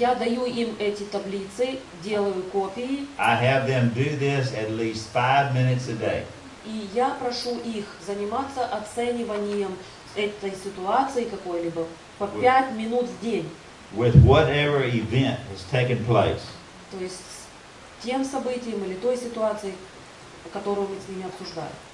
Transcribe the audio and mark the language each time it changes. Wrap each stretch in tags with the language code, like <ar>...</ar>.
<ru>Я даю им эти таблицы, делаю копии.</ru> <en>I have them do this at least 5 minutes a day.</en> <ru>И я прошу их заниматься оцениванием этой ситуации какой-либо по 5 минут в день.</ru> <en>With whatever event has taken place.</en> <ru>То есть с тем событием или той ситуацией, которую мы с ними обсуждаем.</ru>